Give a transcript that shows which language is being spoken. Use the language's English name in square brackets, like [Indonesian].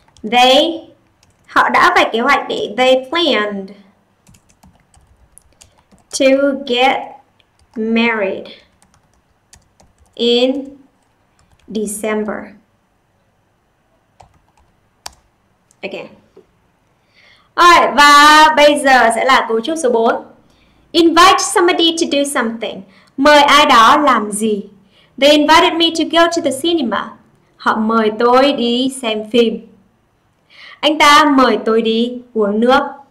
[English] They planned to get married in December. Okay. [Vietnamese] Alright, và bây giờ sẽ là cấu trúc số 4. [English] Invite somebody to do something. [Vietnamese] Mời ai đó làm gì? [English] They invited me to go to the cinema. [Vietnamese] Họ mời tôi đi xem phim. Anh ta mời tôi đi uống nước.